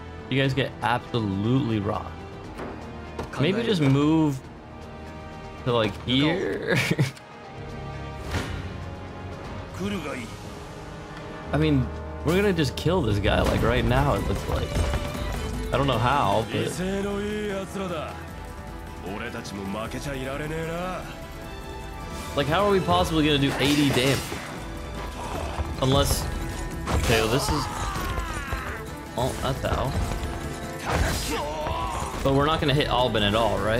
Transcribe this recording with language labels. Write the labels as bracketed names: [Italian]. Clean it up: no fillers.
[English] You guys get absolutely rocked. Maybe just move to like here? [Japanese] 来るがいい。 [English] I mean, we're gonna just kill this guy like right now, it looks like. I don't know how, but... [Japanese] 威勢のいい奴らだ。俺たちも負けちゃいられねえな。 [English] Like, how are we possibly gonna do 80 damage? Unless... Okay, well, this is... Oh, not thou. But we're not gonna hit Albin at all, right?